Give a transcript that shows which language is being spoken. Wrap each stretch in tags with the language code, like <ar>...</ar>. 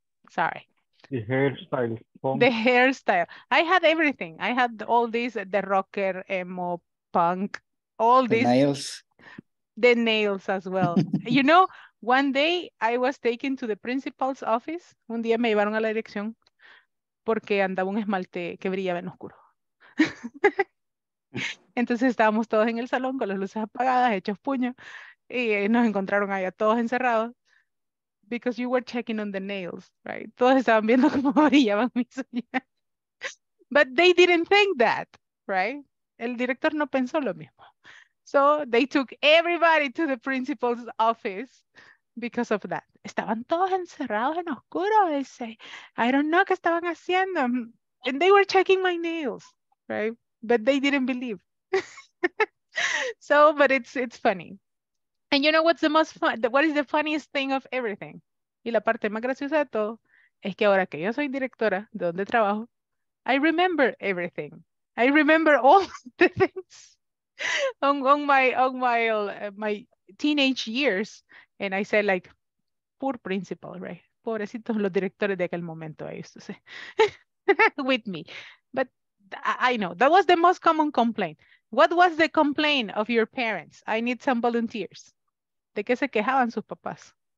<en>Sorry. The hairstyle. I had everything. I had all these, the rocker, emo, punk, all these. The nails. The nails as well. You know, one day I was taken to the principal's office.</en> <es>Un día me llevaron a la dirección porque andaba un esmalte que brillaba en oscuro. Entonces estábamos todos en el salón con las luces apagadas, hechos puño. Y nos encontraron allá todos encerrados.</es> <en>Because you were checking on the nails, right?</en> <es>Todos estaban viendo cómo brillaban mis uñas.</es> <en>But they didn't think that, right?</en> <es>El director no pensó lo mismo.</es> <en>So they took everybody to the principal's office because of that.</en> <es>Estaban todos encerrados en oscuro.</es> <en>They say, I don't know</en> <es>qué estaban haciendo.</es> <en>And they were checking my nails, right? But they didn't believe. So, but it's funny. And you know what's the most fun, what is the funniest thing of everything?</en> <es>Y la parte más graciosa de todo es que ahora que yo soy directora de donde trabajo,</es> <en>I remember everything. I remember all the things on my teenage years. And I said like, poor principal, right?</en> <es>Pobrecitos los directores de aquel momento,</es> <en>I used to say, with me. But I know, that was the most common complaint. What was the complaint of your parents? I need some volunteers.</en> <es>¿De qué se quejaban sus papás?</es>